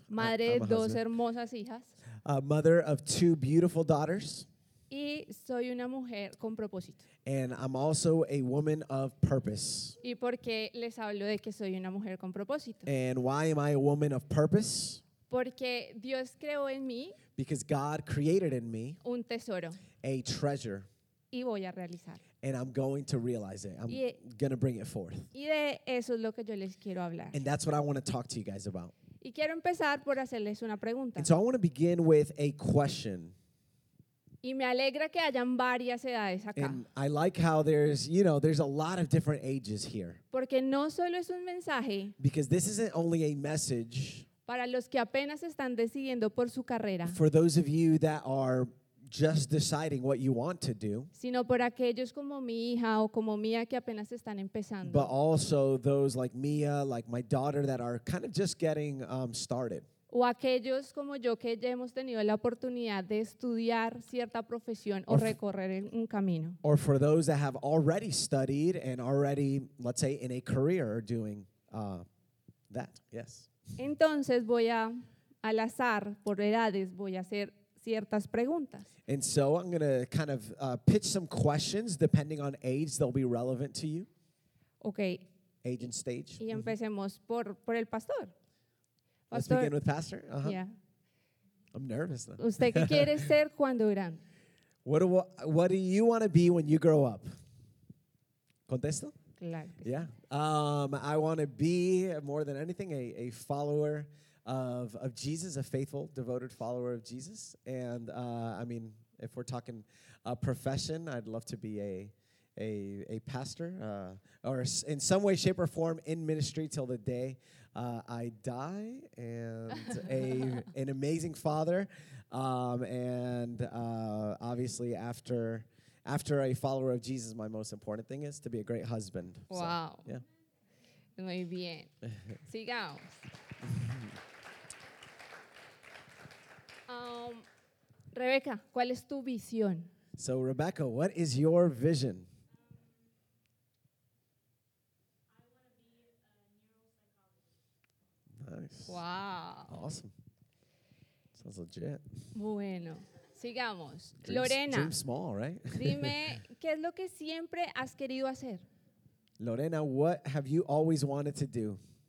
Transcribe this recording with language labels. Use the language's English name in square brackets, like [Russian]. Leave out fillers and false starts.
[Spanish] Madre de dos hermosas hijas. [English] A mother of two beautiful daughters. [Spanish] Y soy una mujer con propósito. [English] And I'm also a woman of purpose. [Spanish] ¿Y por qué les hablo de que soy una mujer con propósito? [English] And why am I a woman of purpose? [Spanish] Porque Dios creó en mí. [English] Because God created in me. [Spanish] Un tesoro. [English] A treasure. [Spanish] Y voy a realizar. [English] And I'm going to realize it. I'm going to bring it forth. [Spanish] Y de eso es lo que yo les quiero hablar. [English] And that's what I want to talk to you guys about. [Spanish] Y quiero empezar por hacerles una pregunta. [English] And so I want to begin with a question. [Spanish] Y me alegra que hayan varias edades acá. [English] And I like how there's, you know, there's a lot of different ages here. [Spanish] Porque no solo es un mensaje. [English] Because this isn't only a message. [Spanish] Para los que apenas están decidiendo por su carrera. [English] For those of you that are just deciding what you want to do. [Spanish] Sino por aquellos como mi hija o como mía que apenas están empezando. [English] But also those like Mia, like my daughter, that are kind of just getting started. [Spanish] O aquellos como yo que ya hemos tenido la oportunidad de estudiar cierta profesión o recorrer un camino. [English] Or for those that have already studied and already, let's say, in a career doing that, yes. [Spanish] Entonces voy a, al azar, por edades, voy a hacer ciertas preguntas. [English] And so I'm going to kind of pitch some questions, depending on age, they'll be relevant to you. Okay. Age and stage. [Spanish] Y empecemos por el pastor. [English] Let's begin with pastor. Uh-huh. Yeah. I'm nervous though. [Spanish] ¿Usted qué quiere ser cuando grande? [English] What do you want to be when you grow up? [Spanish] ¿Contesto? Claro. [English] Yeah. I want to be, more than anything, a follower of Jesus, a faithful, devoted follower of Jesus. And, I mean, if we're talking a profession, I'd love to be a pastor or in some way, shape, or form in ministry till the day I die, and an amazing father, obviously after a follower of Jesus, my most important thing is to be a great husband. Wow. So, yeah. [Spanish] Muy bien. Sigamos. Rebeca, ¿cuál es tu visión? [English] So, Rebecca, what is your vision? Wow. Awesome. Sounds legit. [Spanish] Bueno, sigamos. Lorena. [English] Dream small, right? [Spanish] Dime, ¿qué es lo que siempre has querido hacer? [English] Lorena, what have you always wanted to do?